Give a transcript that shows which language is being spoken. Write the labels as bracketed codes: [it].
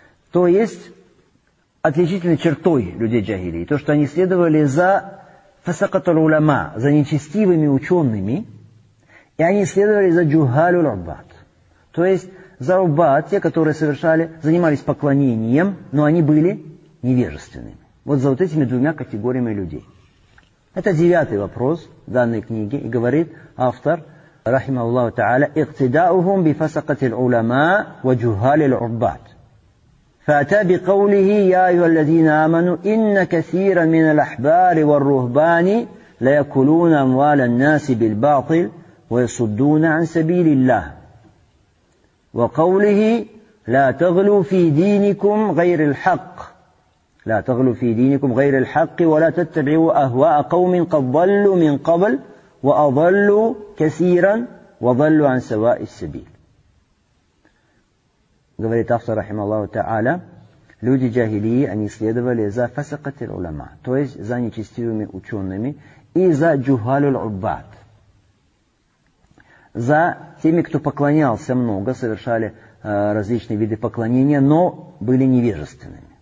[ru] То есть отличительной чертой людей джахилии, то, что они следовали за фасакатуль-уляма, за нечестивыми учеными, и они следовали за джухалюль-уббат. То есть за уббат, те, которые совершали, занимались поклонением, но они были невежественными. Вот за вот этими двумя категориями людей. Это девятый вопрос данной книги, и говорит автор, [ar] رحمه الله تعالى اقتداؤهم بفسقة العلماء وجهال العباد فأتى بقوله يا أيها الذين آمنوا إن كثيرا من الأحبار والرهبان ليأكلون أموال الناس بالباطل ويصدون عن سبيل الله وقوله لا تغلوا في دينكم غير الحق لا تغلوا في دينكم غير الحق ولا تتبعوا أهواء قوم قد ضلوا من قبل وَأَضَلُّوا كَثِيرًا وَضَلُّوا عَنْ سَوَاءِ السَّبِيلِ. [ru] Говорит автор, рахима Аллаху Та'аля, люди джахилии, они следовали за фасакатиль улама, то есть за нечестивыми учеными и за джухалюль-уббат, за теми, кто поклонялся много, совершали различные виды поклонения, но были невежественными.